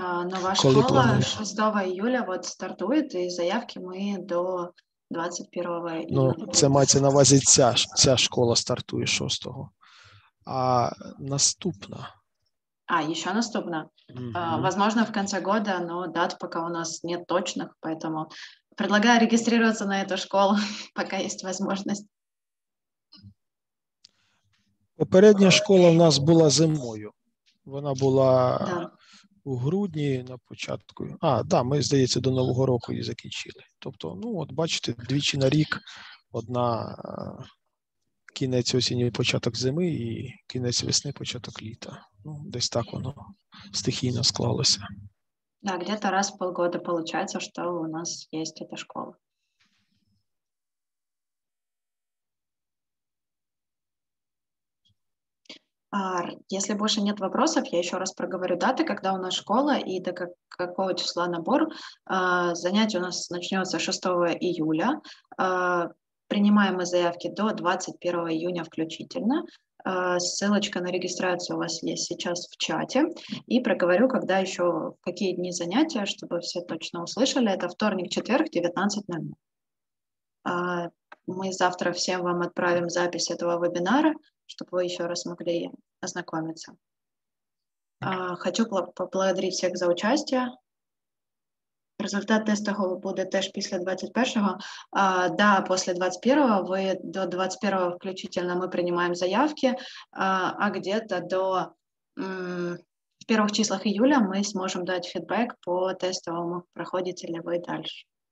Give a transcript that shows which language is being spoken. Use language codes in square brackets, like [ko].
[ru] Нова школа 6 июля вот стартует, и заявки мы до 21 июля. [uk] Ну, це мається на увазі, ця школа стартує 6-го. А наступна? [ru] А, еще наступна. Угу. Возможно, в конце года, но дат пока у нас нет точных, поэтому Предлагаю регистрироваться на эту школу, пока есть возможность. Передняя школа у нас была зимою. [uk] Вона була у грудні на початку. А, да, ми, здається, до Нового року її закінчили. Тобто, ну, от бачите, двічі на рік одна кінець осені, початок зими, і кінець весни, початок літа. Ну, десь так воно стихійно склалося. [ru] Да, где-то раз в полгода получается, что у нас есть эта школа. А если больше нет вопросов, я еще раз проговорю даты, когда у нас школа и до какого числа набор. Занятие у нас начнется 6 июля. Принимаем мы заявки до 21 июня включительно. Ссылочка на регистрацию у вас есть сейчас в чате. И проговорю, когда еще, какие дни занятия, чтобы все точно услышали. Это вторник, четверг, 19:00. Мы завтра всем вам отправим запись этого вебинара, чтобы вы еще раз могли ознакомиться. Хочу поблагодарить всех за участие. [uk] Результат тестового будет теж після 21-го. [ru] Да, после 21-го, вы до 21-го включительно мы принимаем заявки, а где-то до в первых числах июля мы сможем дать фидбэк по тестовому, проходите ли вы дальше.